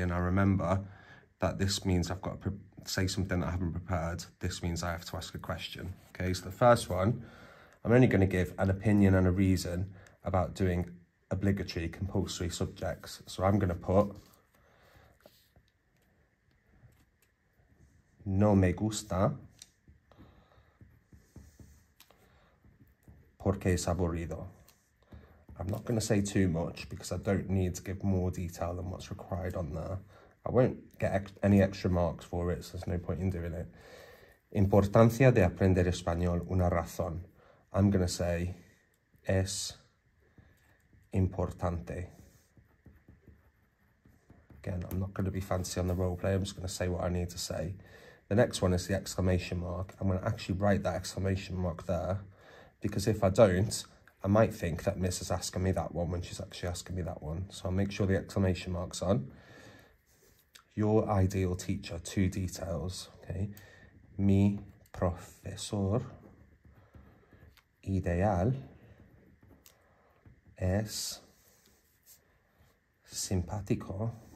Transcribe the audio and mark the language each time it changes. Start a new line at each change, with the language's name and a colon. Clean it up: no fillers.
English: And I remember that this means I've got to say something that I haven't prepared. This means I have to ask a question, okay? So the first one, I'm only going to give an opinion and a reason about doing obligatory compulsory subjects. So I'm going to put...
Spanish: No me gusta porque es aburrido.
English: I'm not going to say too much because I don't need to give more detail than what's required on there. I won't get any extra marks for it, so there's no point in doing it.
Spanish: Importancia de aprender español, una razón.
English: I'm going to say
Spanish: es importante.
English: Again, I'm not going to be fancy on the role play. I'm just going to say what I need to say. The next one is the exclamation mark. I'm going to actually write that exclamation mark there, because if I don't, I might think that Miss is asking me that one when she's actually asking me that one. So I'll make sure the exclamation mark's on. Your ideal teacher, two details, okay?
Spanish: Mi profesor ideal es simpático.